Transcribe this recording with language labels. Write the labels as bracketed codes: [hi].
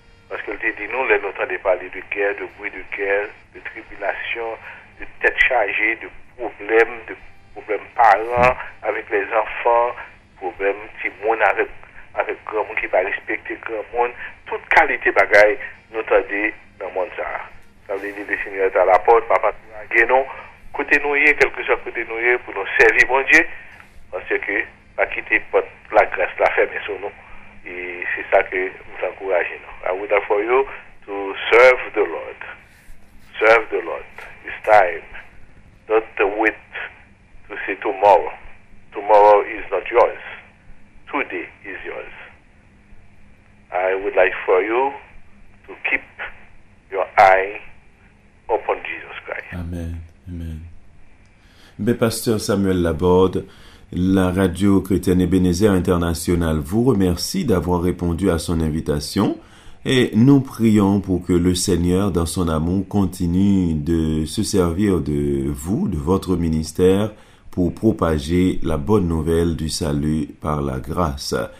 [fr] Parce qu'il dit, nous, nous entendons parler de guerre, de bruit de guerre, de tribulation, de tête chargée, de problèmes parents avec les enfants, problèmes petit monde avec, avec grand monde qui va respecter grand monde. Toute qualité bagaille, nous entendons dans le monde ça. Ça veut dire, le Seigneur est à la porte, papa, nous, côté nous, quelque chose côté nous, pour nous servir, mon Dieu, parce que, pas quitter la grâce, la ferme sur nous. Et c'est ça que nous encourageons. [en] I would have for you to serve the Lord. Serve the Lord. It's time. Don't wait to say tomorrow. Tomorrow is not yours. Today is yours. I would like for you to keep your eye upon Jesus Christ. Amen. Amen. [fr] Mais Pasteur Samuel Laborde, la radio chrétienne Ebenezer International vous remercie d'avoir répondu à son invitation et nous prions pour que le Seigneur, dans son amour, continue de se servir de vous, de votre ministère, pour propager la bonne nouvelle du salut par la grâce.